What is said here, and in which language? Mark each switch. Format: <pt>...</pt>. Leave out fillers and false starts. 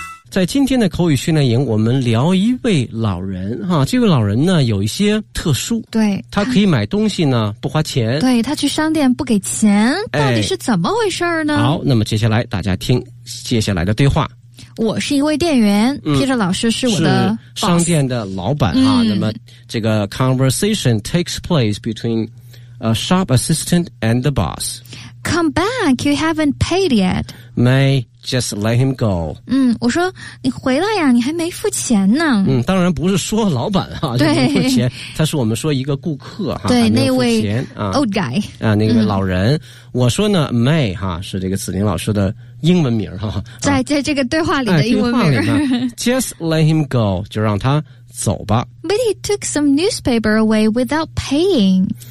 <zh>在今天的口语训练营，我们聊一位老人哈。这位老人呢有一些特殊，对，他可以买东西呢不花钱，对，他去商店不给钱，到底是怎么回事呢？哎，好，那么接下来大家听接下来的对话。我是一位店员，Peter 老师是我的 boss，是商店的老板哈。那么这个</zh> <en>conversation takes place between a shop assistant and the boss。 Come back, you haven't paid yet. MayJust let him go.</en> <zh>嗯，我说你回来呀，你还没付钱呢。嗯，当然不是说老板哈，对，就没付钱，他是我们说一个顾客哈，对，那位啊</zh> <en>old guy</en> <zh>啊，那位老人。我说呢 ，May 哈是这个子宁老师的英文名哈，在这个对话里的英文名。哎，</zh> <en>Just let him go，</en> <zh>就让他走吧。</zh> <en>But he took some newspaper away without paying.</en>